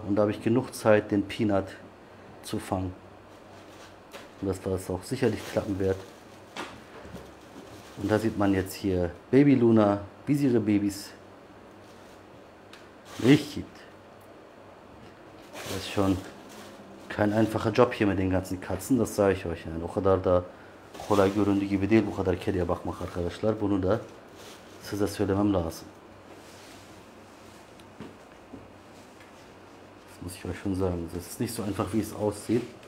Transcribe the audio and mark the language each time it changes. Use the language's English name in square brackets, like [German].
[German] Und da habe ich genug Zeit, den Peanut zu fangen. Und dass das auch sicherlich klappen wird. Und da sieht man jetzt hier Baby Luna, wie sie ihre Babys Milch gibt. Das ist schon kein einfacher Job hier mit den ganzen Katzen, das sage ich euch. [Turkish] Yani o kadar da kolay göründüğü gibi değil bu kadar kediye bakmak arkadaşlar. Bunu da size söylemem lazım. [German] Das muss ich euch schon sagen. Das ist nicht so einfach, wie es aussieht.